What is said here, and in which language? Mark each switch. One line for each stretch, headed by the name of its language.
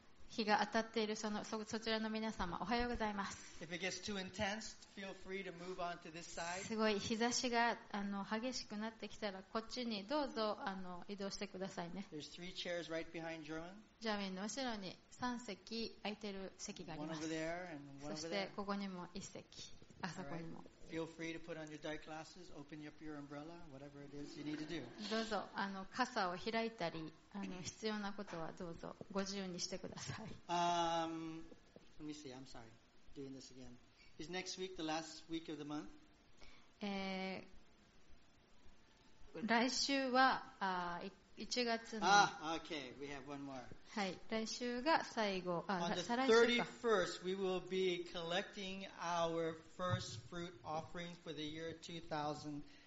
Japanese: 日が当たっているそちらの皆様おはようございます。
English: If it gets too intense, feel free to move on to this side.
Japanese: すごい日差しが激しくなってきたらこっちにどうぞ移動してくださいね。
English: There's three chairs right behind German.
Japanese: ジャーウィンの後ろに3席空いてる席があります。
English: One over there and one over there.
Japanese: そしてここにも1席あそこにも。
English: All right. Feel free to put on your dark glasses, open up your umbrella, whatever it is you need to do.
Japanese: どうぞ傘を開いたり必要なことはどうぞご自由にしてください。
English: Let me see. I'm sorry. Doing this again. Is next week the last week of the month?
Japanese: 来週は1月の。
English: Ah, okay. We have one more.
Japanese: はい、来週が最後。再来週か。
English: On the 31st, we will be collecting our first fruit offerings for the year 2016.